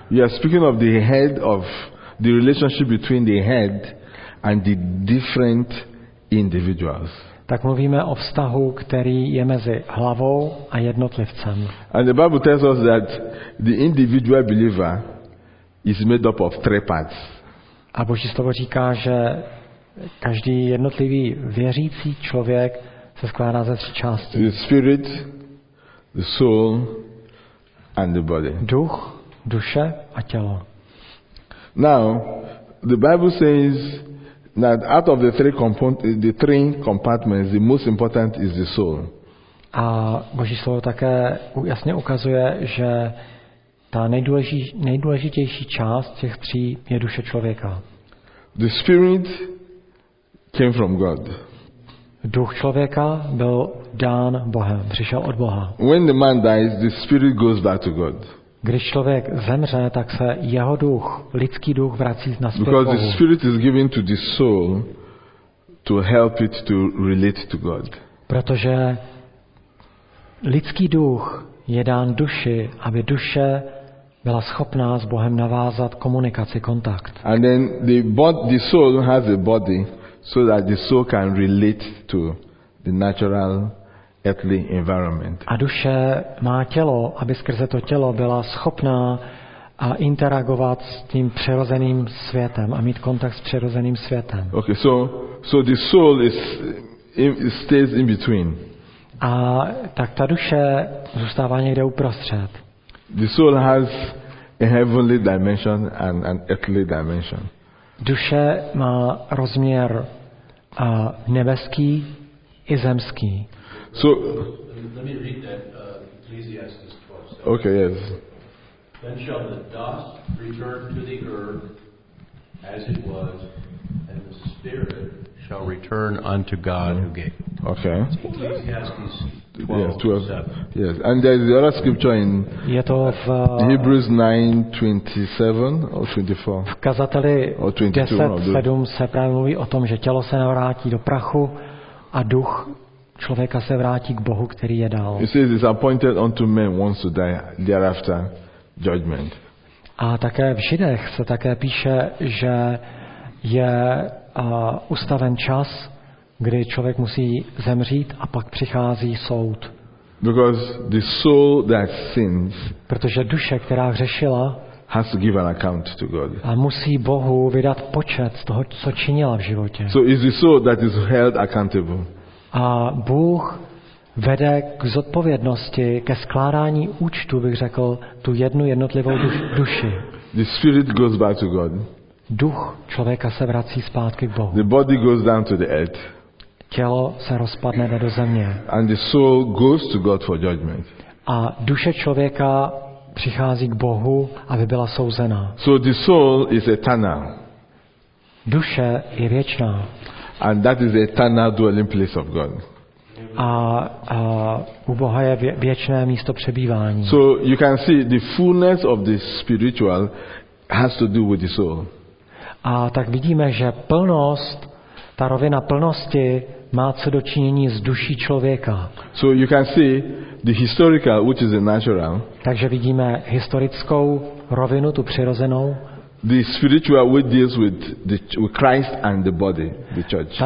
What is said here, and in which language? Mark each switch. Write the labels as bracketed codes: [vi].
[en] You are speaking of the head of the relationship between the head and the different individuals. [cs] Tak mluvíme o vztahu, který je mezi hlavou a jednotlivcem. [en] And the Bible tells us that the individual believer is made up of three parts. [cs] A Boží slovo říká, že každý jednotlivý věřící člověk se skládá ze tří částí. [en] The spirit, the soul, and the body. [cs] Duch, duše a tělo. [en] Now, the Bible says that out of the three compartments, the most important is the soul. [cs] A Boží slovo také jasně ukazuje, že ta nejdůležitější část těch tří je duše člověka. [en] The spirit came from God. [cs] Duch člověka byl dán Bohem, přišel od Boha. [en] When the man dies, the spirit goes back to God. [cs] Když člověk zemře, tak se jeho duch, lidský duch, vrací na zpět Bohu. [en] Because the spirit is given to the soul to help it to relate to God. [cs] Protože lidský duch je dán duši, aby duše byla schopná s Bohem navázat komunikaci, kontakt. [en] And then the soul has a body so that the soul can relate to the natural earthly environment. [cs] A duše má tělo, aby skrze to tělo byla schopná a interagovat s tím přirozeným světem a mít kontakt s přirozeným světem. [en] Okay, so the soul is stays in between. [cs] A tak ta duše zůstává někde uprostřed. [en] The soul has a heavenly dimension and an earthly dimension. [cs] Duše má rozměr nebeský i zemský. [en] So let me read that Ecclesiastes 12:7. Okay, yes. Then shall the dust return to the earth as it was, and the spirit shall return unto God who gave. Okay. Ecclesiastes 12:7. Yes, and there is the other scripture in Hebrews 9:27 or 24. [cs] V Kazateli 10:7 se právě mluví o tom, že tělo se navrátí do prachu a duch člověka se vrátí k Bohu, který je dal. [en] It says it's appointed unto men once to die, thereafter judgment. [cs] A také v Židech se také píše, že je ustaven čas, kdy člověk musí zemřít a pak přichází soud. [en] Because the soul that sins, [cs] protože duše, která hřešila, [en] has to give an account to God. [cs] A musí Bohu vydat počet z toho, co činila v životě. [en] So is the soul that is held accountable. [cs] A Bůh vede k zodpovědnosti, ke skládání účtu, bych řekl, tu jednu jednotlivou duši. [en] The spirit goes back to God. [cs] Duch člověka se vrací zpátky k Bohu. [en] The body goes down to the earth. [cs] Tělo se rozpadne do země. [en] And the soul goes to God for judgment. [cs] A duše člověka přichází k Bohu, aby byla souzena. [en] So the soul is eternal. [cs] Duše je věčná. [en] And that is the eternal dwelling place of God. [cs] A u Boha je věčné místo přebývání. [en] So you can see the fullness of the spiritual has to do with the soul. [cs] A tak vidíme, že plnost, ta rovina plnosti má co dočinění s duší člověka. [en] So you can see the historical, which is the natural. [cs] Takže vidíme historickou rovinu, tu přirozenou. [en] The spiritual, which deals with the with Christ and the body, the church.